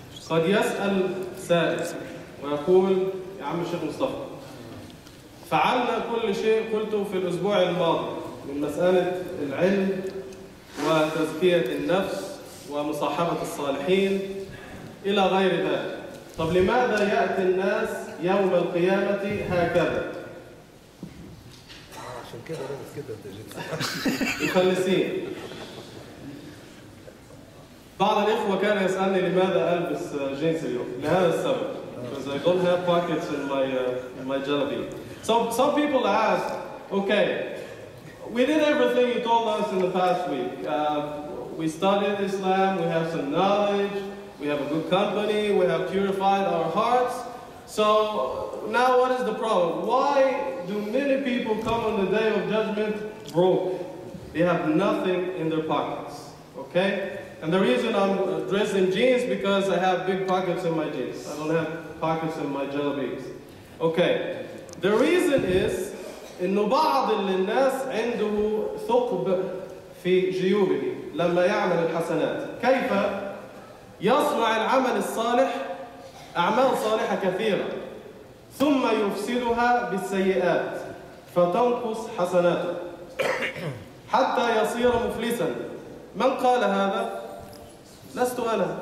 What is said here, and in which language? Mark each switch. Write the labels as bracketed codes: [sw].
[ar] قد يسأل سائل ويقول: يا عم الشيخ مصطفى، فعلنا كل شيء قلته في الأسبوع الماضي من مسألة العلم وتزكية النفس ومصاحبة الصالحين إلى غير ذلك، طب لماذا يأتي الناس يوم القيامة هكذا؟ عشان كده لابس كده يخلصين. بعض الإخوة كان يسألني لماذا ألبس جينز اليوم؟ لهذا السبب. [en] Because I don't have pockets in my jalabi. Some people ask, okay, we did everything you told us in the past week. We studied Islam, we have some knowledge, we have a good company, we have purified our hearts. So now what is the problem? Why do many people come on the Day of Judgment broke? They have nothing in their pockets, okay? And the reason I'm dressed in jeans, because I have big pockets in my jeans. I don't have pockets in my jalabis. Okay, the reason is, [ar] إنه بعض الناس عنده ثقب في جيوبه لما يعمل الحسنات. كيف يصنع العمل الصالح أعمال صالحة كثيرة ثم يفسدها بالسيئات فتنقص حسناته حتى يصير مفلسا؟ من قال هذا؟ لست أنا.